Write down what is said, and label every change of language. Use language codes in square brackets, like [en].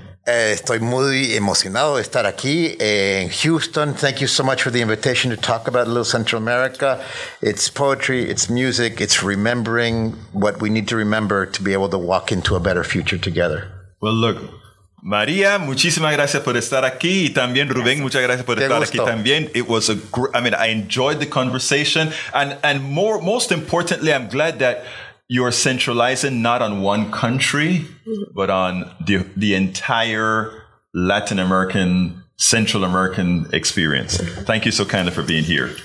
[es] Estoy muy emocionado de estar aquí en Houston. [en] Thank you so much for the invitation to talk about Little Central America. It's poetry, it's music, it's remembering what we need to remember to be able to walk into a better future together. Well, look, [es] María, muchísimas gracias por estar aquí. Y también, Rubén, muchas gracias por estar aquí también. [en] It was a great, I mean, I enjoyed the conversation. And more, most importantly, I'm glad that you're centralizing not on one country, but on the entire Latin American, Central American experience. Thank you so kindly for being here.